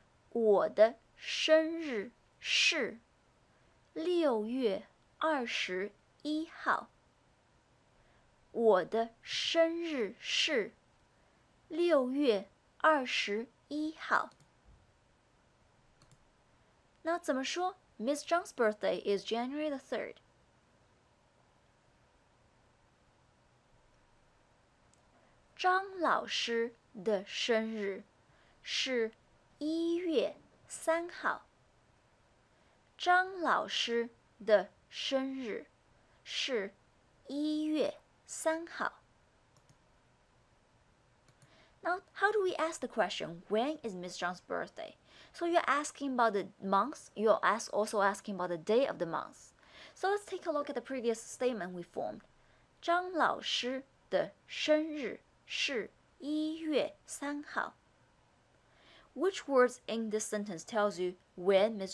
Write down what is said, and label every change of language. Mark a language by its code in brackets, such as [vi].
[zh] 我的生日是六月二十一号。我的生日是六月二十一号。那怎么说 [en] Miss Zhang's birthday is January the 3rd? [zh] 张老师的生日是一月三号。张老师的生日是一月三号。 [en] Now, how do we ask the question, when is Ms. Zhang's birthday? So you're asking about the month, you're also asking about the day of the month. So let's take a look at the previous statement we formed. [zh] 张老师的生日是一月三号。 [en] Which words in this sentence tells you when Ms.